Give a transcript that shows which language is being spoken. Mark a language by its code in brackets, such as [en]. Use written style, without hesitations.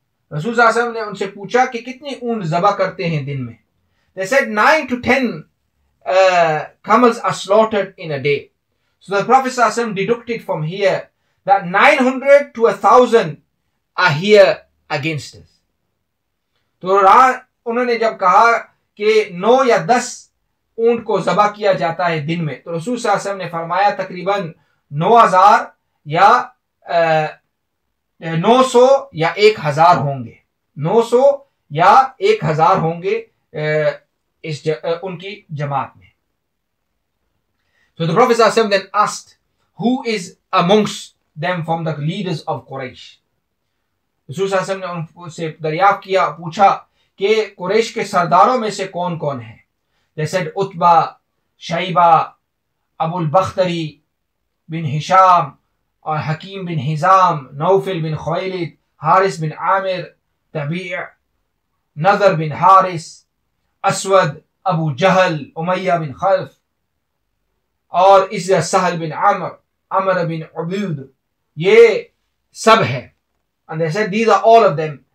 [en] Rasul Sallallahu Alaihi Wasallam asked them, how many camels do they slaughter in a day? They said, 9 to 10 camels are slaughtered in a day. So the Prophet Sallallahu Alaihi Wasallam deducted from here that 900 to 1,000 are here against us. So when they said, [ur] کہ 9 or 10 اونٹ کو ذبح کیا جاتا ہے دن میں تو رسول صلی اللہ علیہ وسلم نے فرمایا تقریباً 9,000 or 1,000 ہوں گے 900 or 1,000 ہوں گے ان کی جماعت میں. [en] So the Prophet صلی اللہ علیہ وسلم then asked, who is amongst them from the leaders of Quraysh? [ur] رسول صلی اللہ علیہ وسلم نے ان سے دریافت کیا, پوچھا کہ قریش کے سرداروں میں سے کون کون ہیں. [en] They said [ur] عتبہ, شعیبہ, ابو البختری بن حشام اور حکیم بن حزام, نوفل بن خویلد, حارس بن عامر, تبیع, نظر بن حارس, اسود, ابو جہل, امیہ بن خلف اور اسی سہل بن عمر, عمر بن عبود, یہ سب ہیں. [en] And they said these are all of them